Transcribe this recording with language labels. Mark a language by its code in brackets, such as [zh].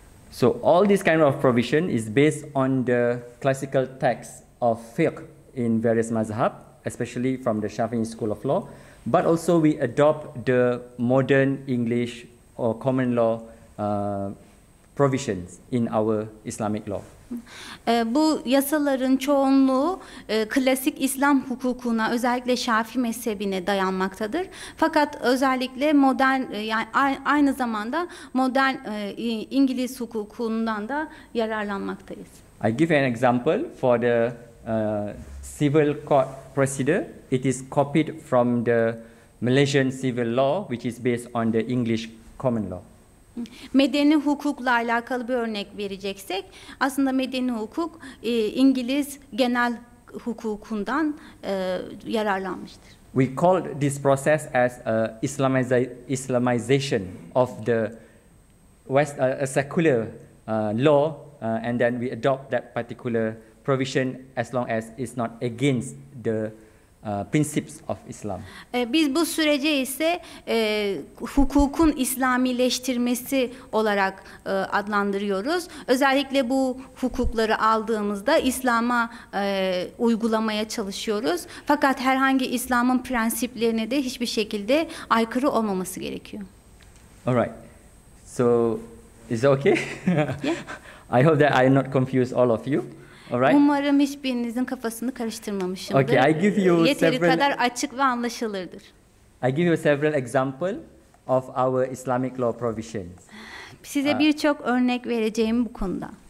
[en] So all this kind of provision is based on the classical text of fiqh in various mazhab, especially from the Shafi'i school of law. But also we adopt the modern English or common law provisions in our Islamic law. [tr] Bu yasaların çoğunluğu klasik İslam hukukuna, özellikle Şafii mezhebine dayanmaktadır. Fakat özellikle modern, yani aynı zamanda modern İngiliz hukukundan da yararlanmaktayız. [en] I give an example for the civil court procedure. It is copied from the Malaysian civil law, which is based on the English common law. [tr] Medeni hukukla alakalı bir örnek vereceksek, aslında medeni hukuk İngiliz genel hukukundan yararlanmıştır. [en] We call this process as Islamization of the West, secular law, and then we adopt that particular provision as long as it's not against the principles of Islam. [tr] Biz bu sürece ise hukukun İslamileştirmesi olarak adlandırıyoruz. Özellikle bu hukukları aldığımızda İslam'a uygulamaya çalışıyoruz. Fakat herhangi İslam'ın prensiplerine de hiçbir şekilde aykırı olmaması gerekiyor. [en] All right. So is it okay? Yeah. I hope that I not confuse all of you. All right. [tr] Umarım hiçbirinizin kafasını karıştırmamışımdır. [en] Okay, I give you [tr] yeteri [en] several, [tr] kadar açık ve anlaşılırdır. [en] I give you several example of our Islamic law provisions. [tr] Size birçok örnek vereceğim bu konuda.